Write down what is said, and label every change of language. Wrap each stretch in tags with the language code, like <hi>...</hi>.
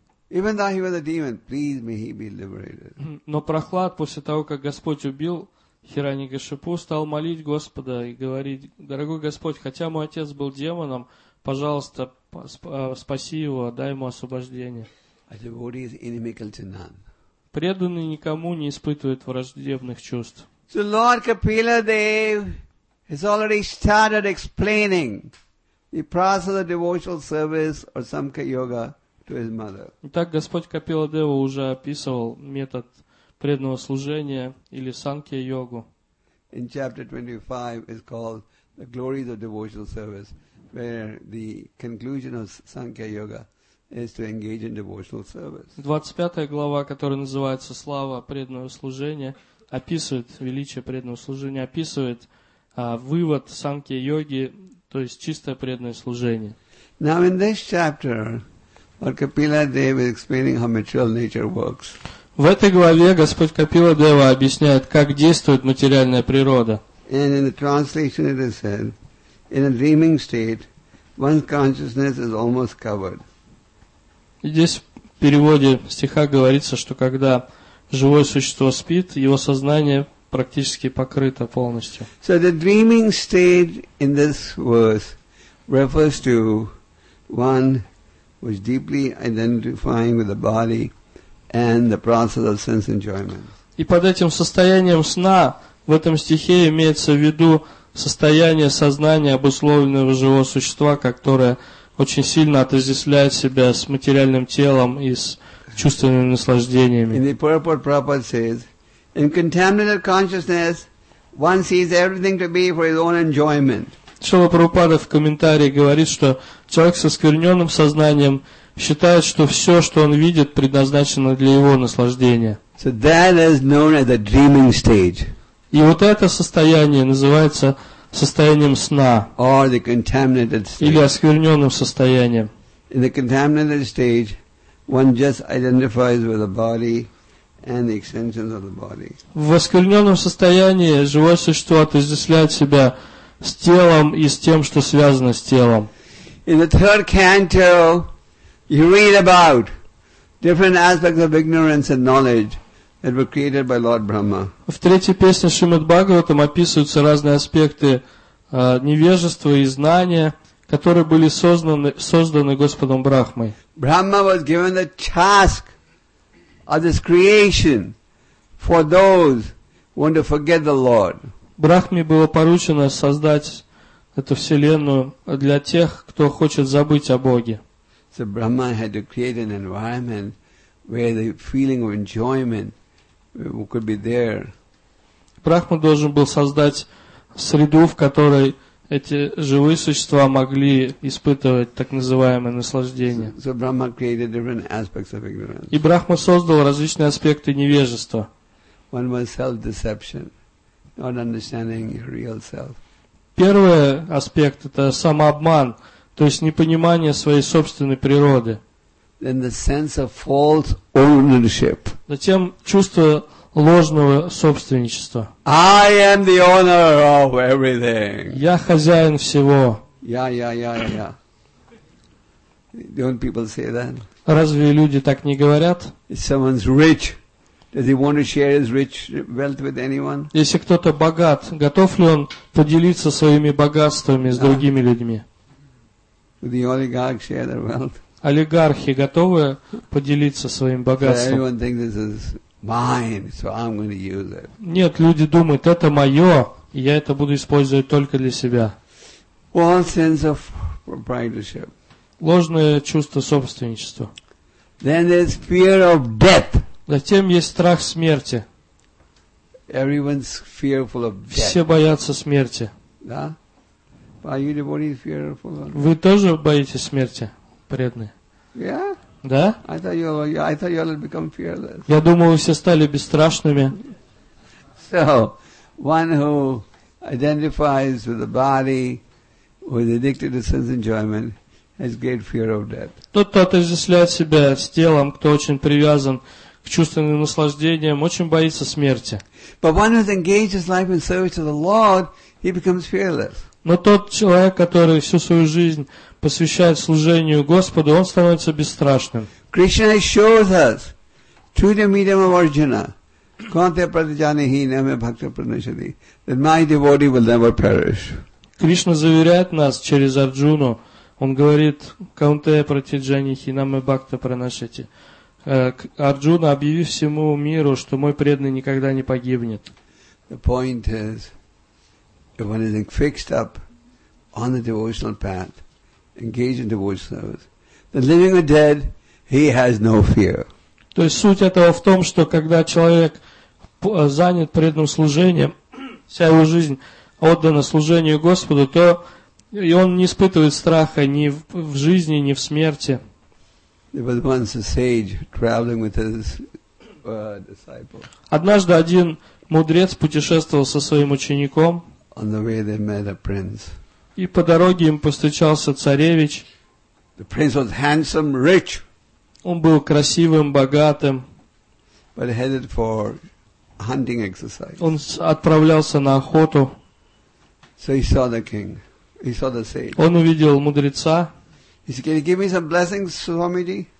<en>Even though he was a demon, please may he be liberated.</en> <ru>Но Прохлад после того, как Господь убил Хираньякашипу, стал молить Господа и говорить: «Дорогой Господь, хотя мой отец был демоном, пожалуйста, спаси его, дай ему освобождение».</ru> <en>A devotee is inimical to none.</en> <ru>Преданный никому не испытывает враждебных чувств.</ru> <en>So Lord Kapila Dev has already started explaining the process of devotional service or samkha yoga.</en> <ru>Итак, Господь Капила Дева уже описывал метод преданного служения или санкья йогу.</ru> <en>In chapter 25 is called the glories of devotional service, where the conclusion of sankhya yoga is to engage in devotional service.</en> <ru>25 глава, которая называется «Слава преданного служения», описывает величие преданного служения, описывает вывод санкхья йоги, то есть чистое преданное служение.</ru> <en>Now in this chapter, Lord Kapila Dev is explaining how material nature works.</en> <ru>В этой главе Господь Капила Дева объясняет, как действует материальная природа.</ru> <en>And in the translation it is said, in a dreaming state, one's consciousness is almost covered.</en> <ru>Здесь в переводе стиха говорится, что когда живое существо спит, его сознание практически покрыто полностью.</ru> <en>So the dreaming state in this verse refers to one was deeply identifying with the body and the process of sense enjoyment.</en> <ru>И под этим состоянием сна в этом стихе имеется в виду состояние сознания, обусловленного живого существа, которое очень сильно отождествляет себя с материальным телом и с чувственными наслаждениями.</ru> <en>In the purport, Prabhupada says, in contaminated consciousness, one sees everything to be for his own enjoyment.</en> <ru>Шрила Прабхупада в комментарии говорит, что человек со оскверненным сознанием считает, что все, что он видит, предназначено для его наслаждения.</ru> <en>So that is known as the dreaming stage.</en> <ru>И вот это состояние называется состоянием сна.</ru> <en>Or the contaminated stage.</en> <ru>Или оскверненным состоянием.</ru> <en>In the contaminated stage, one just identifies with the body and the extensions of the body.</en> <ru>В оскверненном состоянии живое существо отождествляет себя с телом и с тем, что связано с телом.</ru> <en>In the third canto, you read about different aspects of ignorance and knowledge that were created by Lord Brahma.</en> <ru>В третьей песне Шримад-Бхагаватам описываются разные аспекты невежества и знания, которые были созданы Господом Брахмой.</ru> <en>Brahma was given the task of this creation for those who want to forget the Lord.</en> <ru>Брахме было поручено создать эту вселенную для тех, кто хочет забыть о Боге.</ru> <en>So Brahma had to create an environment where the feeling of enjoyment could be there.</en> <ru>Брахма должен был создать среду, в которой эти живые существа могли испытывать так называемое наслаждение.</ru> <en>So Brahma created different aspects of ignorance.</en> <ru>И Брахма создал различные аспекты невежества.</ru> <en>One was self-deception. Not understanding your real self.</en> <ru>Первый аспект – это самообман, то есть непонимание своей собственной природы.</ru> <en>Then the sense of false ownership.</en> <ru>Затем чувство ложного собственничества.</ru> <en>I am the owner of everything.</en> <ru>Я хозяин всего.</ru> <en>Don't people say that?</en> <ru>Разве люди так не говорят?</ru> <en>If someone's rich, does he want to share his rich wealth with anyone?</en> <ru>Если кто-то богат, готов ли он поделиться своими богатствами с другими людьми?</ru> <en>Would the oligarch share their wealth?</en> <ru>Олигархи готовы поделиться своим богатством?</ru> <en>But everyone thinks this is mine, so I'm going to use it.</en> <ru>Нет, люди думают, это мое, и я это буду использовать только для себя.</ru> <en>False sense of proprietorship.</en> <ru>Ложное чувство собственничества.</ru> <en>Then there's fear of death.</en> <ru>Затем есть страх смерти.</ru> <en>Everyone's fearful of death.</en> <ru>Все боятся смерти. Да?</ru> <en>Are you the one who's fearful of death?</en> <ru>Вы тоже боитесь смерти, преданные?</ru> <en>Yeah?</en> <ru>Да?</ru> <en>I thought you all become fearless.</en> <ru>Я думал, вы все стали бесстрашными.</ru> <en>So, one who identifies with the body, who is addicted to sense enjoyment, has great fear of death.</en> <ru>Тот, кто отождествляет себя с телом, кто очень привязан к чувственным наслаждениям, очень боится смерти.</ru> <en>But one who's engaged his life in service to the Lord, he becomes fearless.</en> <ru>Но тот человек, который всю свою жизнь посвящает служению Господу, он становится бесстрашным.</ru> <en>Krishna shows us through the medium of Arjuna,</en> <sa>"Kante pratijanehi name bhakta pranishadi,"</sa> <en>that my devotee will never perish.</en> <ru>Кришна заверяет нас через Арджуну. Он говорит,</ru> <sa>"Kante pratijanehi name bhakta pranishadi."</sa> <ru>Арджуна, объяви всему миру, что мой преданный никогда не погибнет.</ru> <en>The point is, if one is fixed up on the devotional path, engaged in devotional service, the living or dead, he has no fear.</en> <ru>То есть суть этого в том, что когда человек занят преданным служением, вся его жизнь отдана служению Господу, то и он не испытывает страха ни в жизни, ни в смерти.</ru> <en>There was once a sage traveling with his disciple.</en> <ru>Однажды один мудрец путешествовал со своим учеником.</ru> <en>On the way they met a prince.</en> <ru>И по дороге им повстречался царевич.</ru> <en>The prince was handsome, rich.</en> <ru>Он был красивым, богатым.</ru> <en>But headed for hunting exercise.</en> <ru>Он отправлялся на охоту.</ru> <en>So he saw the king. He saw the sage.</en> <ru>Он увидел мудреца.</ru> <en>He said, "Can you give me some blessings, Swamiji?"</en>